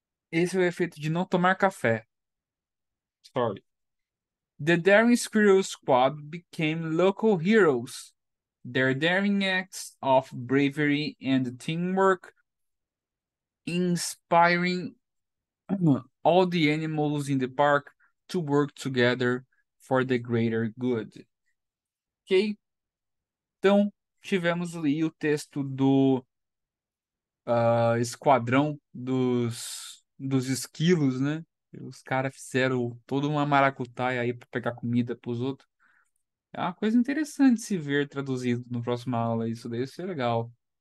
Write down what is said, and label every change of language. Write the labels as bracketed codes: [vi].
[pt] Esse é o efeito de não tomar café. [en] Sorry. The Daring Squirrel Squad became local heroes. Their daring acts of bravery and teamwork inspiring all the animals in the park to work together for the greater good. Ok? [pt] Então, tivemos ali o texto do esquadrão dos esquilos, né? Os caras fizeram toda uma maracutaia aí para pegar comida para os outros. É uma coisa interessante se ver traduzido na próxima aula. Isso daí seria legal.